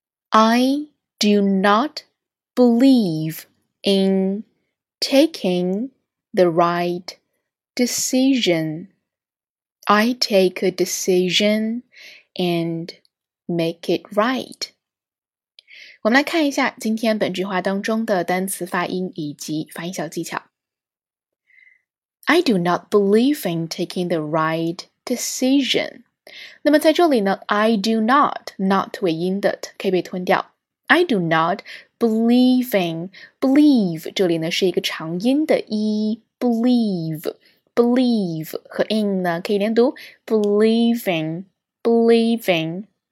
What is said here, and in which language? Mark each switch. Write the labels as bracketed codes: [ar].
[en] I do not believe in taking the right decision. I take a decision and make it right. [zh] 我们来看一下今天本句话当中的单词发音以及发音小技巧。 [en] I do not believe in taking the right decision. [zh] 那么在这里呢 , [en] I do not [zh] 尾音的 t 可以被吞掉。 [en] I do not believe in, [zh] believe, 这里呢是一个长音的 e, believe, believe, 和 in 呢可以连读 [en] believing, believing.